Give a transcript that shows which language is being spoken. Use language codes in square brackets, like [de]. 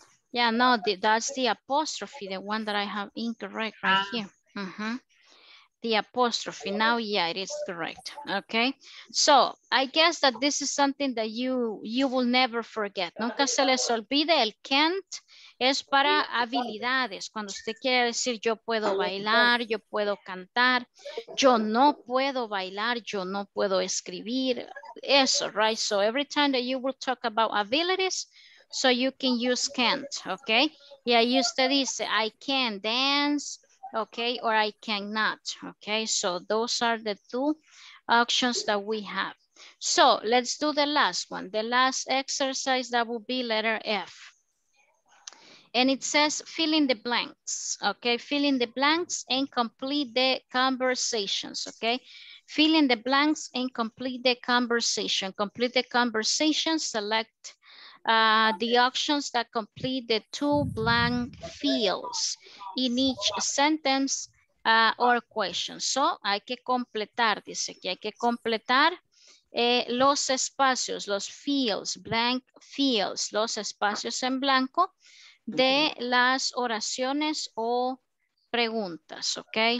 [en] Yeah, no, that's the apostrophe, the one that I have incorrect right here. Mm-hmm. the apostrophe. Now, yeah, it is correct. Okay. So I guess that this is something that you will never forget. [es] Nunca se les olvide el can't. Es para habilidades. Cuando usted quiere decir yo puedo bailar, yo puedo cantar, yo no puedo bailar, yo no puedo escribir. Eso, [en] right? So every time that you will talk about abilities, so you can use can't, okay? [es] Y ahí usted dice, [en] I can dance, okay? Or I cannot, okay? So those are the two options that we have. So let's do the last one. The last exercise that will be letter F. And it says fill in the blanks, okay? Fill in the blanks and complete the conversations, okay? Fill in the blanks and complete the conversation. Complete the conversation, select the options that complete the two blank fields in each sentence or question. [es] So hay que completar, dice que hay que completar los espacios, los fields, [en] blank fields, [es] los espacios en blanco de las oraciones o preguntas, okay?